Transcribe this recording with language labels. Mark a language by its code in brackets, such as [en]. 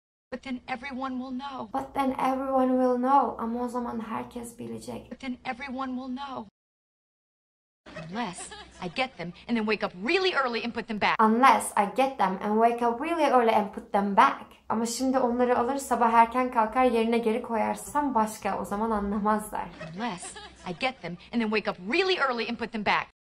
[en] But then everyone will know. But then everyone will know. [tr] Ama o zaman herkes bilecek. [en] But then everyone will know. Unless I get them and then wake up really early and put them back. Unless I get them and wake up really early and put them back. [tr] Ama şimdi onları alır sabah erken kalkar yerine geri koyarsam başka, o zaman anlamazlar. [en] Unless I get them and then wake up really early and put them back.